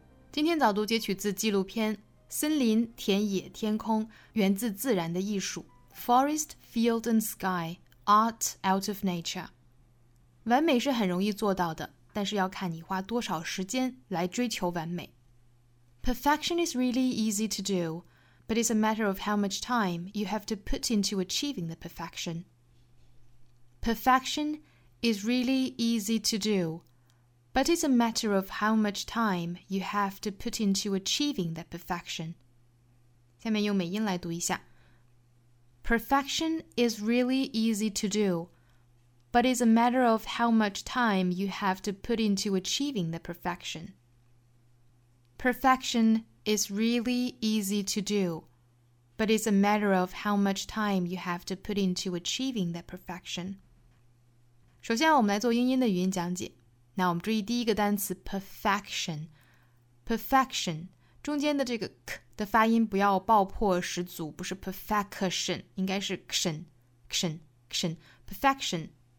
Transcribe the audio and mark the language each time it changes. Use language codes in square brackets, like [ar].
[zh] 今天早读截取自纪录片《森林、田野、天空》，源自自然的艺术。 [en] Forest, Field and Sky, Art out of Nature. [zh] 完美是很容易做到的。但是要看你花多少时间来追求完美。 [en] Perfection is really easy to do, but it's a matter of how much time you have to put into achieving the perfection. Perfection is really easy to do, but it's a matter of how much time you have to put into achieving the perfection. [zh] 下面用美音来读一下。 [en] Perfection is really easy to do,But it's a matter of how much time you have to put into achieving the perfection. Perfection is really easy to do, but it's a matter of how much time you have to put into achieving the perfection. [zh] 首先我们来做英音的语音讲解。那我们注意第一个单词 perfection. Perfection, 中间的这个 k 的发音不要爆破十足，不是 perfection, 应该是 kshin, kshin, kshin, perfection.